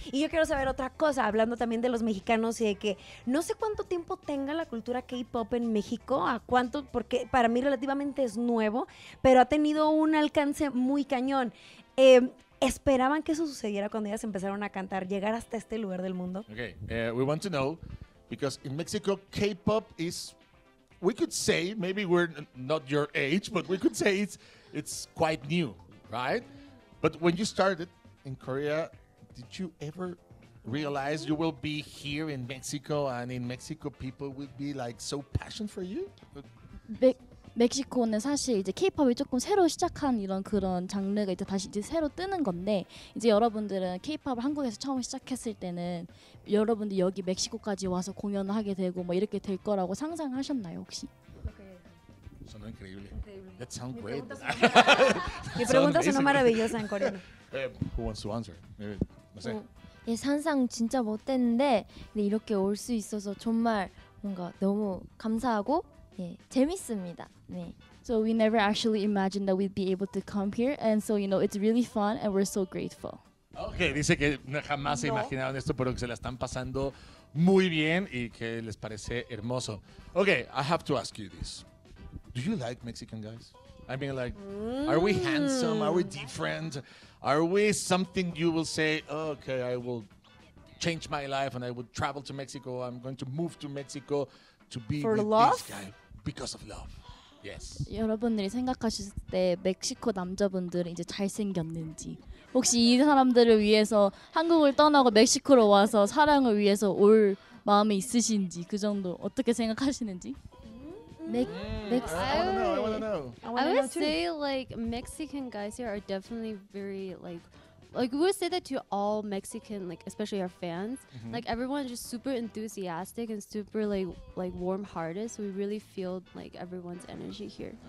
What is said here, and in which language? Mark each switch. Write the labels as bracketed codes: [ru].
[es] Y yo quiero saber otra cosa, hablando también de los mexicanos y de que no sé cuánto tiempo tenga la cultura K-pop en México, a cuánto, porque para mí relativamente es nuevo, pero ha tenido un alcance muy cañón. ¿Esperaban que eso sucediera cuando ellas empezaron a cantar, llegar hasta este lugar del mundo? [en] Okay, we want to know, because in Mexico, K-pop is, we could say, maybe we're not your age, but we could say it's quite new, right? But when you started in Korea, did you ever realize you will be here in Mexico, and in Mexico, people will be like so passionate for you? Big. [ko] 멕시코는 사실 이제 K-POP이 조금 새로 시작한 이런 그런 장르가 이제 다시 이제 새로 뜨는 건데 이제 여러분들은 K-POP을 한국에서 처음 시작했을 때는 여러분들 여기 멕시코까지 와서 공연을 하게 되고 뭐 이렇게 될 거라고 상상하셨나요 혹시? [es] Sonó increíble. [en] That sounds great. [es] Mi pregunta sonó maravillosa en coreano. [en] Who wants to answer? Maybe. [es] No sé. [ko] 예 상상 진짜 못했는데 근데 이렇게 올 수 있어서 정말 뭔가 너무 감사하고. 네, 재밌습니다. 네. [en] So we never actually imagined that we'd be able to come here, and so you know it's really fun, and we're so grateful. [es] Okay, dice que jamás se imaginaron esto, pero que se la están pasando muy bien y que les parece hermoso. [en] Okay, I have to ask you this: do you like Mexican guys? I mean, like, are we handsome? Are we different? Are we something you will say? Okay, I will change my life and I will travel to Mexico. I'm going to move to Mexico. To be for with love? This guy because of love. Yes. [ko] 여러분들이 생각하실 때 멕시코 남자분들은 이제 잘생겼는지 혹시 이 사람들을 위해서 한국을 떠나고 멕시코로 와서 사랑을 위해서 올 마음이 있으신지 그 정도 어떻게 생각하시는지? [en] I would say like Mexican guys here are definitely very like we would say that to all Mexican, like especially our fans, mm-hmm. like everyone is just super enthusiastic and super like warm-hearted. So we really feel like everyone's energy here.